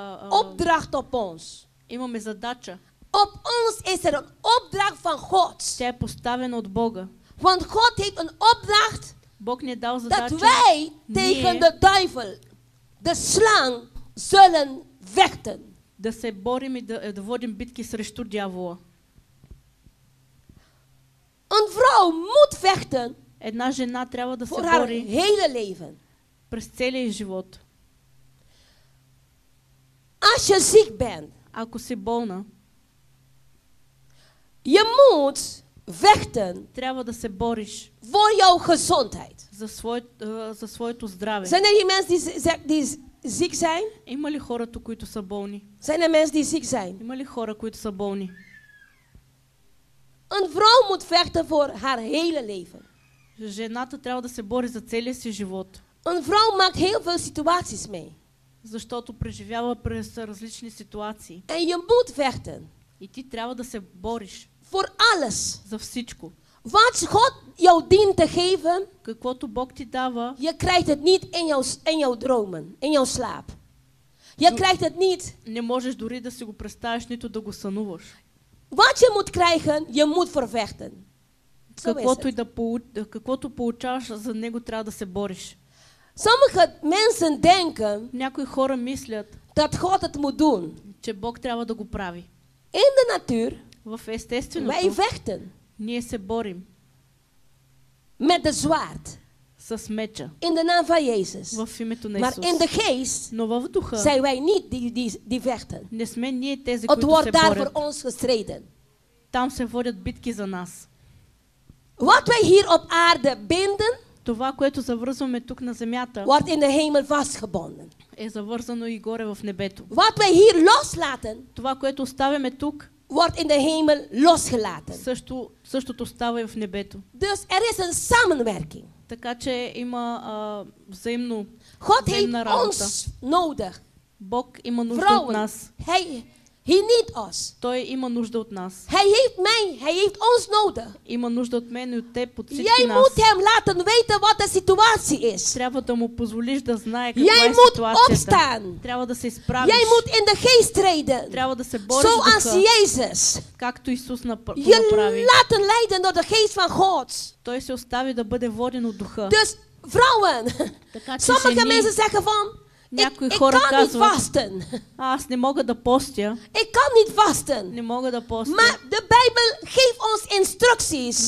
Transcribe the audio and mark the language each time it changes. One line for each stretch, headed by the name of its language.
Dutch: Opdracht op ons.
Bulgarian: Имаме задача.
Dutch: Op ons is er een opdracht van God.
Bulgarian: Тя е поставена от Бога.
Dutch: Want God heeft een opdracht.
Bulgarian: Бог ни е дал задача.
Dutch: Dat wij tegen de duivel, de slang, zullen vechten.
Bulgarian: Да се борим и да водим битки срещу дявола.
Dutch: Een vrouw moet vechten.
Bulgarian: Една жена трябва да се
Dutch: voor
Bulgarian: бори.
Dutch: Hele leven.
Bulgarian: През целия живот.
Dutch: Als je ziek bent.
Bulgarian: Ако си болна.
Dutch: Je moet vechten.
Bulgarian: Трябва да се бориш.
Dutch: Voor jouw gezondheid.
Bulgarian: За своето здраве.
Dutch: Zijn er mensen die ziek zijn?
Bulgarian: Има ли хора тук, които са болни?
Dutch: Zijn er mensen die ziek zijn?
Bulgarian: Има ли хора, които са болни?
Dutch: Een vrouw moet vechten voor haar hele leven.
Bulgarian: Жената трябва да се бори за целия си живот.
Dutch: Een vrouw maakt heel veel situaties mee.
Bulgarian: Защото преживява през различни ситуации.
Dutch: En je moet vechten.
Bulgarian: И ти трябва да се бориш.
Dutch: Voor alles.
Bulgarian: За всичко.
Dutch: Wat God jou dient te geven.
Bulgarian: Каквото Бог ти дава.
Dutch: Je krijgt het niet in jouw dromen, in jouw slaap. Je krijgt het niet.
Bulgarian: Не можеш дори да си го представиш, нито да го сънуваш.
Dutch: Wat je moet krijgen, je moet vervechten.
Bulgarian: Каквото и да каквото получаваш, за него трябва да се бориш.
Dutch: Sommige mensen denken.
Bulgarian: Някои хора мислят.
Dutch: Dat God het moet doen.
Bulgarian: Че Бог трябва да го прави.
Dutch: In de natuur.
Bulgarian: В естественото.
Dutch: Wij vechten.
Bulgarian: Ние се борим.
Dutch: Met de zwaard.
Bulgarian: С меча.
Dutch: In de naam van Jezus.
Bulgarian: В името на Исус.
Dutch: Maar in de geest.
Bulgarian: Но в духа.
Dutch: Zijn wij niet die vechten.
Bulgarian: Не сме ние тези,
Dutch: het
Bulgarian: които се борят.
Dutch: Het wordt daar voor ons gestreden.
Bulgarian: Там се водят битки за нас.
Dutch: Wat wij hier op aarde binden.
Bulgarian: Това, което завързваме тук на земята.
Dutch: Wordt in de hemel vastgebonden.
Bulgarian: Е завързано и горе в небето.
Dutch: Wat wij hier loslaten.
Bulgarian: Това, което оставяме тук.
Dutch: Wordt in de hemel losgelaten.
Bulgarian: Същото става и в небето.
Dutch: Dus er is een samenwerking.
Bulgarian: Така че има взаимно
Dutch: God heeft ons nodig.
Bulgarian: Бог има нужда
Dutch: Vrouwen.
Bulgarian: От нас.
English: He need us.
Bulgarian: Той има нужда от нас.
Dutch: Hij heeft mij, hij heeft ons nodig.
Bulgarian: Има нужда от мен и от теб, от всички
Dutch: Jij
Bulgarian: нас.
Dutch: Moet hem laten weten wat de situatie is.
Bulgarian: Трябва да му позволиш да знае каква
Dutch: Jij
Bulgarian: е ситуацията.
Dutch: Moet opstaan.
Bulgarian: Трябва да се изправиш.
Dutch: Jij moet in de geest treden.
Bulgarian: Трябва да се бориш
English: so as Jezus.
Bulgarian: Както Исус направи.
Dutch: Je laten leiden door de geest van God.
Bulgarian: Той се остави да бъде воден от духа.
Dutch: Dus vrouwen. Sommige mensen zeggen van
Bulgarian: някои хора казват, аз не мога да постя.
Dutch: Ik kan niet vasten.
Bulgarian: Не мога да постя.
Dutch: Maar de Bijbel geeft ons instructies.